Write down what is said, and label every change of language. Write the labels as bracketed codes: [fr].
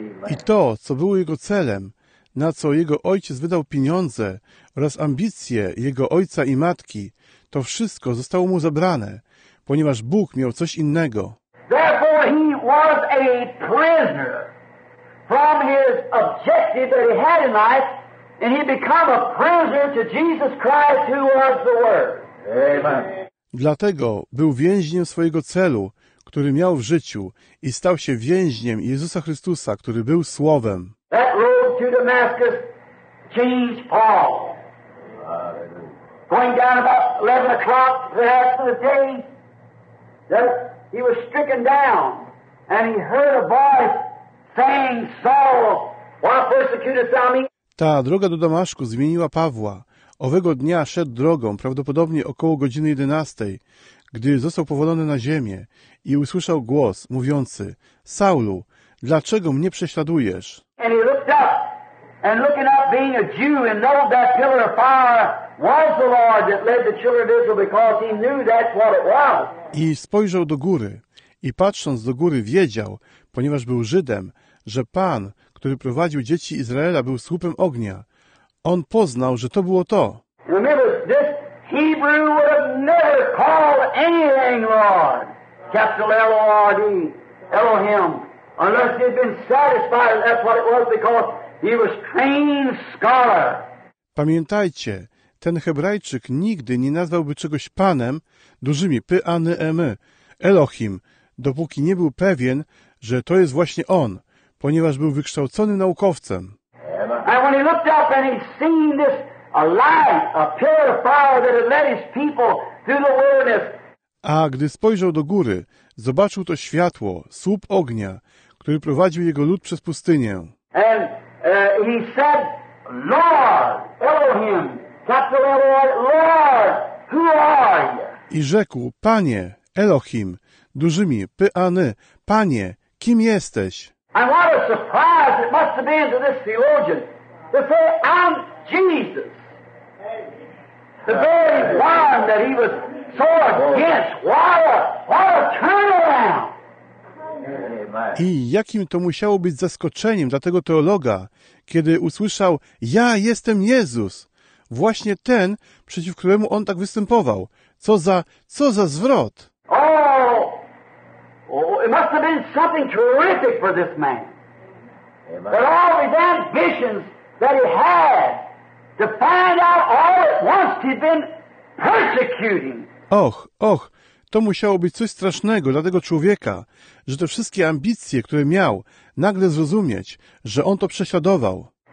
[pl] I to, co było jego celem, na co jego ojciec wydał pieniądze oraz ambicje jego ojca i matki, to wszystko zostało mu zabrane, ponieważ Bóg miał coś innego. [en] Therefore he was a prisoner from his objective that he had in life, and he became a prisoner to Jesus Christ, who was the Word. Amen. [pl] Dlatego był więźniem swojego celu, który miał w życiu i stał się więźniem Jezusa Chrystusa, który był Słowem. [en] That road to Damascus changed Paul. Going down about 11 o'clock the rest of the day, that he was stricken down and he heard a voice saying, Saul, why persecutest thou me? [pl] Ta droga do Damaszku zmieniła Pawła. Owego dnia szedł drogą, prawdopodobnie około godziny 11, gdy został powalony na ziemię i usłyszał głos mówiący: Saulu, dlaczego mnie prześladujesz? [en] And he looked up, and looking up, being a Jew, and know that pillar of fire was the Lord that led the children of Israel, because he knew that's what it was. [pl] I spojrzał do góry i patrząc do góry wiedział, ponieważ był Żydem, że Pan, który prowadził dzieci Izraela, był słupem ognia. On poznał, że to było to. [en] Remember, this Hebrew would have never called anything Lord, capital L-O-R-D, Elohim, unless he'd been satisfied that that's what it was, because he was trained scholar. [pl] Pamiętajcie, ten Hebrajczyk nigdy nie nazwałby czegoś Panem, dużymi P-A-N-E-M-E, Elohim, dopóki nie był pewien, że to jest właśnie On, ponieważ był wykształconym naukowcem. [en] And when he looked up and he seen this light, a pillar of fire that had led his people through the wilderness. [pl] A gdy spojrzał do góry, zobaczył to światło, słup ognia, który prowadził jego lud przez pustynię. [en] And he said, Lord, Elohim, capital Lord, Lord, who are you? [pl] I rzekł, Panie, Elohim, dużymi, P-A-N-Y, Panie, kim jesteś? [en] And what a surprise it must have been to this theologian to say, I'm Jesus. The very one that he was so against. What a turnaround. [pl] I jakim to musiało być zaskoczeniem dla tego teologa, kiedy usłyszał, ja jestem Jezus. Właśnie ten, przeciw któremu on tak występował. Co za zwrot. [en] Oh, it must have been something terrific for this man. Amen. That all his ambitions that he had to find out all at once he'd been persecuting. Och. [pl] To musiało być coś strasznego dla tego człowieka, że te wszystkie ambicje, które miał, nagle zrozumieć, że on to prześladował.